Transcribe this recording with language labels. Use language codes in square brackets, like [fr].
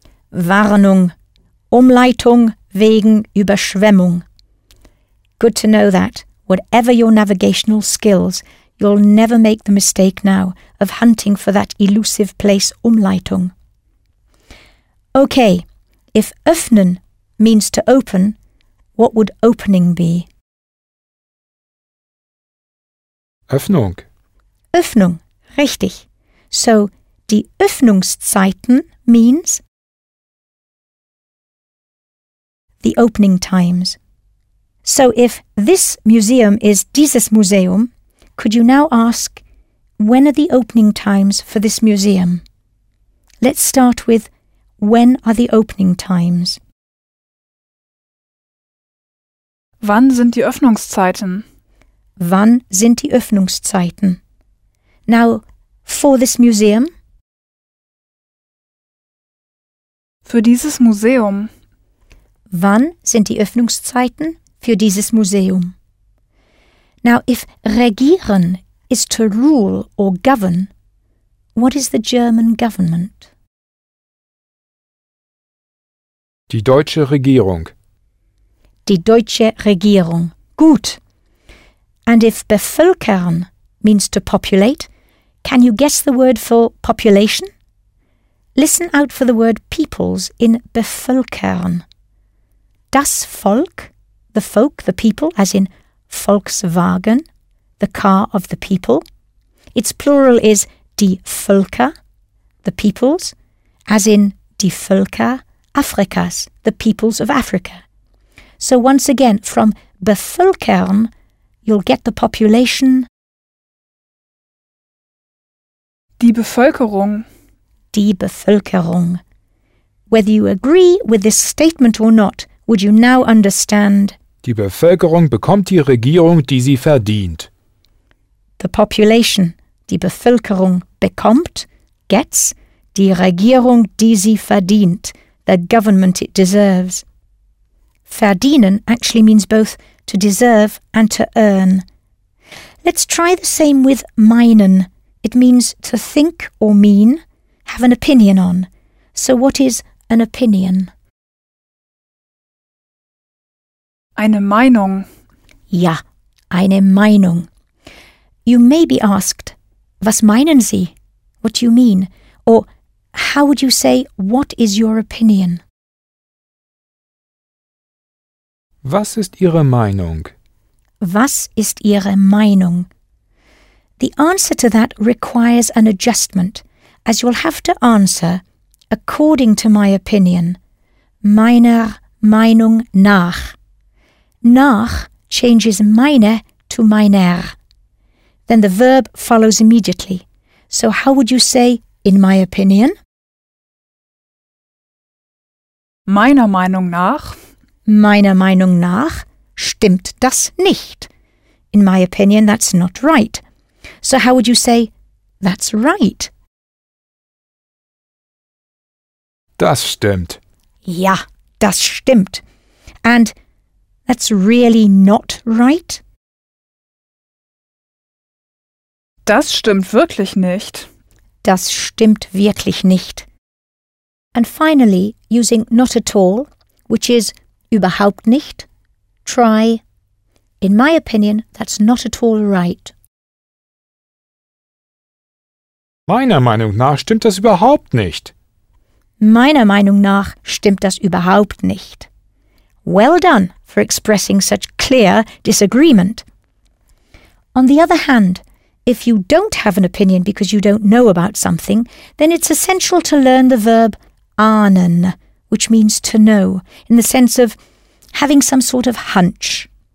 [de] Warnung, Umleitung wegen Überschwemmung. [en] Good to know that. Whatever your navigational skills, you'll never make the mistake now of hunting for that elusive place, Umleitung. Okay, if öffnen means to open, what would opening be? [de] Öffnung. Öffnung, richtig. [en] So, [de] die Öffnungszeiten [en] means the opening times. So, if this museum is [de] dieses Museum, [en] could you now ask, when are the opening times for this museum? Let's start with, when are the opening times? [de] Wann sind die Öffnungszeiten? Wann sind die Öffnungszeiten? [en] Now, for this museum? [de] Für dieses Museum. Wann sind die Öffnungszeiten für dieses Museum? Now, if regieren is to rule or govern, what is the German government? [en] Die deutsche Regierung. Die deutsche Regierung. Gut. And if bevölkern means to populate, can you guess the word for population? Listen out for the word peoples in bevölkern. [de] Das Volk, [en] the folk, the people, as in Volkswagen, the car of the people. Its plural is [de] die Völker, [en] the peoples, as in [de] die Völker Afrikas, [en] the peoples of Africa. So once again, from bevölkern, you'll get the population. Die Bevölkerung. Die Bevölkerung. Whether you agree with this statement or not, would you now understand? Die Bevölkerung bekommt die Regierung, die sie verdient. The population, [de] die Bevölkerung, bekommt, [en] gets, [de] die Regierung, die sie verdient, [en] the government it deserves. Verdienen actually means both to deserve and to earn. Let's try the same with meinen. It means to think or mean, have an opinion on. So what is an opinion? [de] Eine Meinung. Ja, eine Meinung. [en] You may be asked, [de] was meinen Sie? [en] What do you mean? Or how would you say, what is your opinion? [de] Was ist Ihre Meinung? Was ist Ihre Meinung? [en] The answer to that requires an adjustment, as you'll have to answer, according to my opinion, [de] meiner Meinung nach. [en] Nach changes meine to meiner. Then the verb follows immediately. So how would you say, in my opinion? [de] Meiner Meinung nach. Meiner Meinung nach stimmt das nicht. [en] In my opinion, that's not right. So how would you say, that's right? [de] Das stimmt. Ja, das stimmt. [en] And that's really not right? [de] Das stimmt wirklich nicht. Das stimmt wirklich nicht. [en] And finally, using not at all, which is [de] überhaupt nicht, [en] try, in my opinion, that's not at all right. [de] Meiner Meinung nach stimmt das überhaupt nicht. Meiner Meinung nach stimmt das überhaupt nicht. [en] Well done for expressing such clear disagreement. On the other hand, if you don't have an opinion because you don't know about something, then it's essential to learn the verb ahnen, which means to know, in the sense of having some sort of hunch.